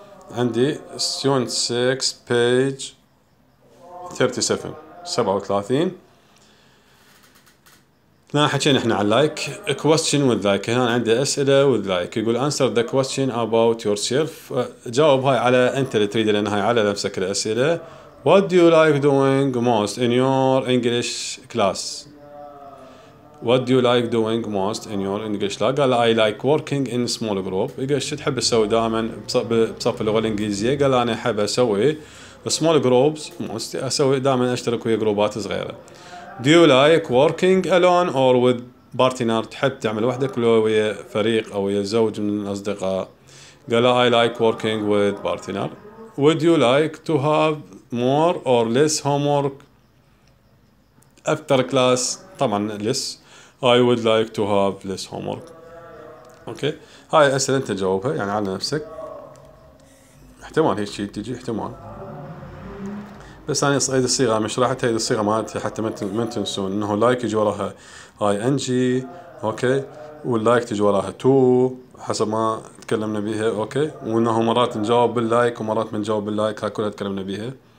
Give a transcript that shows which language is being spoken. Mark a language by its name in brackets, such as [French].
[Arabic] عندي سيون 6 بيج 37 37. هنا حكينا احنا على اللايك كويستشن وذ لايك. هنا عندي اسئله وذ لايك. يقول [English] Answer the question about yourself. [Arabic] جاوب هاي على انت اللي تريده لان هاي على نفسك الاسئله. [English] What do you like doing most in your English class? What do you like doing most in your English class? قال I like working in small group. [Arabic] إيش تحب تسوي دائما بصف اللغة الإنجليزية؟ قال أنا أحب أسوي small groups. Most أسوي دائما أشترك ويا جروبات صغيرة. [English] Do you like working alone or with partner؟ [Arabic] تحب تعمل وحدك ولا ويا فريق أو ويا زوج من الأصدقاء؟ قال [English] I like working with partner. Would you like to have more or less homework after class؟ طبعا less. I would like to have less homework. Okay okay. [Arabic] هاي اسئله انت جاوبها يعني على نفسك، احتمال هيك شيء تجي احتمال، بس انا اصيد الصيغه مش راح تهيد الصيغه مالتها حتى ما تنسون انه لايك يجي وراها ing اوكي، واللايك تجي وراها تو حسب ما تكلمنا بيها اوكي، وانه مرات نجاوب باللايك ومرات ما نجاوب باللايك، هاي كلها تكلمنا بيها.